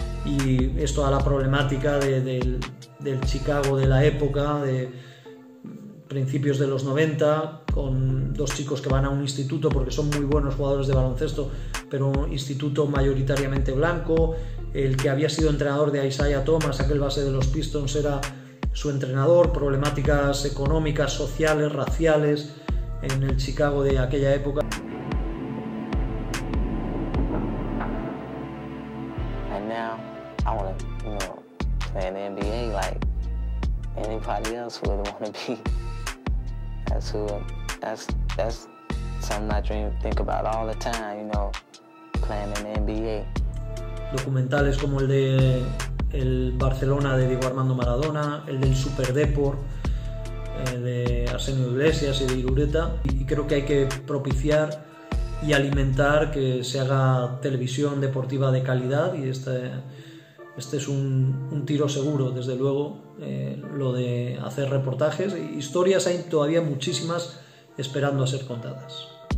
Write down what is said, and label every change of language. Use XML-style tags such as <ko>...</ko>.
<es>Y es toda la problemática del Chicago de la época, de principios de los 90, con dos chicos que van a un instituto porque son muy buenos jugadores de baloncesto, pero un instituto mayoritariamente blanco. El que había sido entrenador de Isaiah Thomas, aquel base de los Pistons, era su entrenador. Problemáticas económicas, sociales, raciales en el Chicago de aquella época.</es> <en>And now I want to, you know, play in the NBA like anybody else would want to be. That's something I dream, think about all the time, you know, playing in the NBA.</en> <es>Documentales como el de el Barcelona de Diego Armando Maradona, el del Super Depor de Arsenio Iglesias y de Irureta, y creo que hay que propiciar y alimentar que se haga televisión deportiva de calidad, y este es un tiro seguro, desde luego, lo de hacer reportajes. Historias hay todavía muchísimas esperando a ser contadas.</es>